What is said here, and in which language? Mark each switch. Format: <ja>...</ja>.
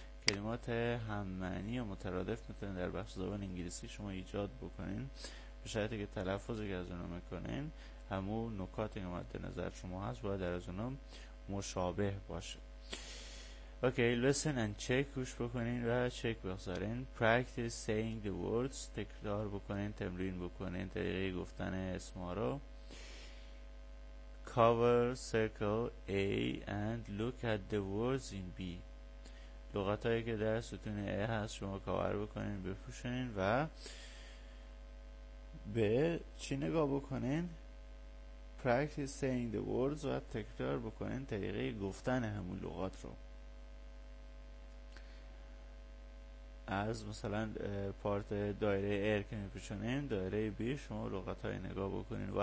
<fa>کلمات هممعنی و مترادف میتونید در بخش زبان انگلیسی شما ایجاد بکنین به شرطی که تلفظی که از اونو میکنین همون نکاتی که مد نظر شما هست باید در از اونو مشابه باشه.</fa> <en>okay listen and check،</en> <fa>گوش بکنین و چک بگذارین.</fa> <en>practice saying the words،</en> <fa>تکرار بکنین، تمرین بکنین طریقه گفتن اسما رو.</fa> <en>cover circle A and look at the words in B.</en> <fa>لغت هایی که در ستون ای هست شما کاور بکنین، بپوشنین و به چی نگاه بکنین؟</fa> <en>practice saying the words</en> <fa>و تکرار بکنین طریقه گفتن همون لغات رو از مثلا پارت دایره ای که میپوشنین دایره بی شما لغت های نگاه بکنین.</fa>